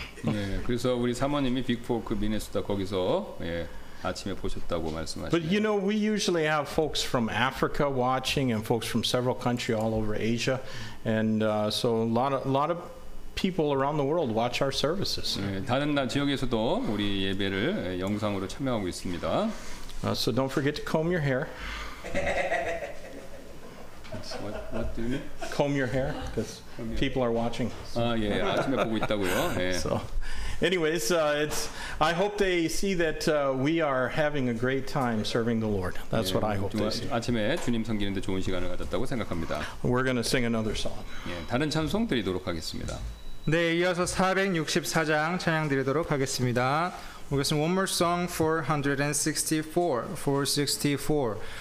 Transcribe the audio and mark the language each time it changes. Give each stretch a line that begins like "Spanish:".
Korean: 네, 그래서 우리 사모님이 Big Fork, Minnesota 거기서 예, 아침에 보셨다고 말씀하시네요.
English: But you know, we usually have folks from Africa watching and folks from several countries all over Asia. And so a lot of people around the world watch our services.
Korean: 네, 다른 나 지역에서도 우리 예배를 영상으로 참여하고 있습니다.
English: So don't forget to comb your hair. What do you mean? Comb your hair, because people are watching. So, anyways, I hope they see that we are having a great time serving the Lord. That's what I hope they see.
Korean: 아침에 주님 섬기는데 좋은 시간을 가졌다고 생각합니다.
English: We're going to sing another song.
Korean: 다른 찬송 드리도록 하겠습니다. 네, 이어서 464장 찬양 드리도록 하겠습니다.
English: We'll sing one more song, 464.